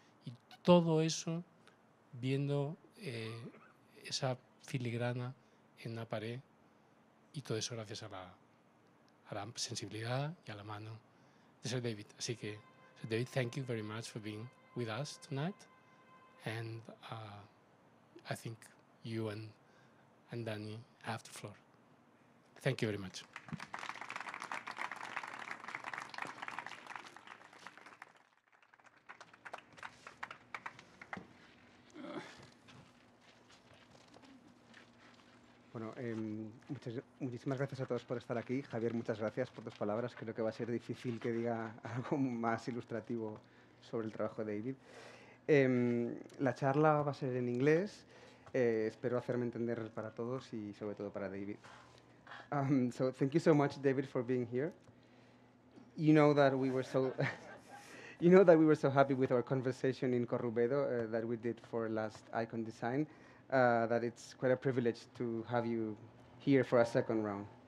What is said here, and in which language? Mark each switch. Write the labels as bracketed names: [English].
[Spanish] Y todo eso viendo esa filigrana en una pared. Y todo eso gracias a la sensibilidad y a la mano de Sir David. Así que, [English] Sir David, thank you very much for being with us tonight. And I think you and Danny have the floor. Thank you very much. [Spanish] Bueno, muchísimas gracias a todos por estar aquí. Javier, muchas gracias por tus palabras. Creo que va a ser difícil que diga algo más ilustrativo sobre el trabajo de David. La charla va a ser en inglés. Espero hacerme entender para todos y sobre todo para David. [English] So thank you so much, David, for being here. You know that we were so you know that we were so happy with our conversation in Corrubedo that we did for last Icon Design. That it's quite a privilege to have you here for a second round.